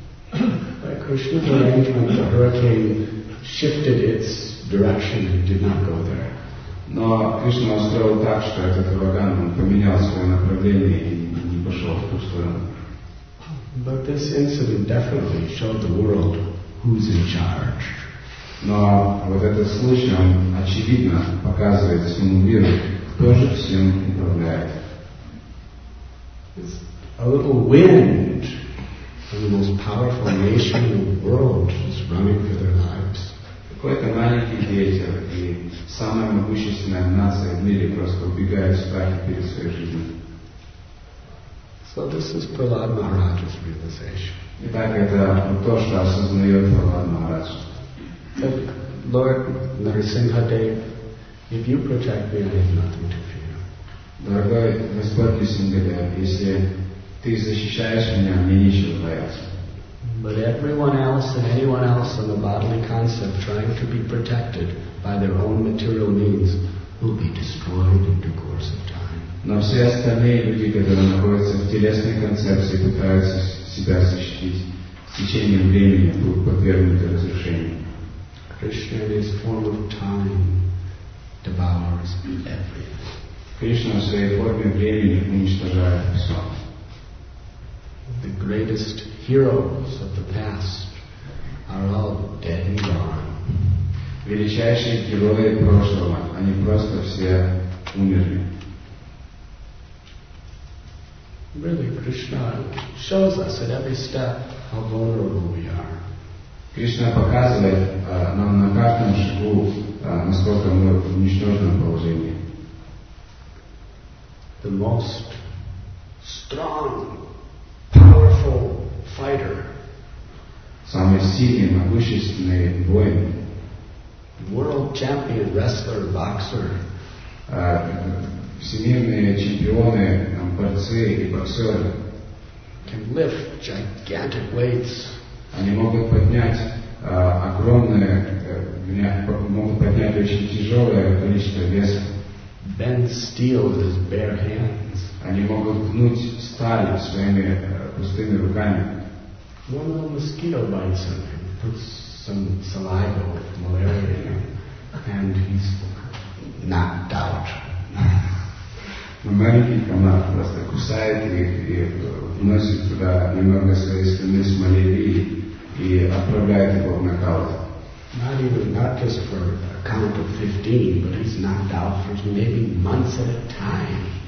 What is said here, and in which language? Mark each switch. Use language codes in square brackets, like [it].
[en] By Krishna's arrangement, the hurricane shifted its direction and did not go there. [ru] Но Кришна устроил так, что этот ураган поменял свое направление и не пошел в ту сторону. [en] But this incident definitely showed the world who's in charge. [ru] Но вот этот случай, он очевидно показывает всему миру, кто же всем управляет. [en] It's a little wind. And the most powerful nation in the world is running for their lives. [ru] Какой-то маленький ветер, и самая могущественная нация в мире просто убегает в страхе перед своей жизнью. [en] So this is Prahlad Maharaj's realization. [ru] Итак, это то, что осознает Прахлад Махарадж. [en] That Lord Нарисингхадев, if you protect me, I have nothing to fear. [ru] Дорогой Господь Нарисингхадев, если ты защищаешь меня, мне нечего бояться. [en] But everyone else and anyone else on the bodily concept trying to be protected by their own material means will be destroyed in the course of time. [ru] Но все остальные люди, которые находятся в телесной концепции, пытаются себя защитить, с течением времени будут подвергнуты разрушению. [en] Krishna in his form of time devours everything. [ru] Кришна в своей форме времени уничтожает все. [en] The greatest heroes of the past are all dead and gone. [ru] Величайшие герои прошлого, они просто все умерли. [en] Really, Krishna shows us at every step how vulnerable we are. [ru] Кришна показывает нам на каждом шагу, насколько мы в ничтожном положении. [en] The most strong, powerful fighter. [ru] Самый сильный, могущественный воин. [en] World champion wrestler, boxer. [ru] Всемирные чемпионы, борцы и боксеры. [en] Can lift gigantic weights. [ru] Они могут поднять огромное, могут поднять очень тяжелое количество веса. [en] Bend steel with his bare hands. [ru] Они могут гнуть сталь своими пустыми руками. [en] One little mosquito bites him, puts some saliva with malaria in him, and he's knocked out. [ru] Но маленький комар просто кусает их и вносит туда немного своей стены с малярией и отправляет его в нокаут. [en] Not even, not just for a count of 15, but he's knocked out for maybe months at a time.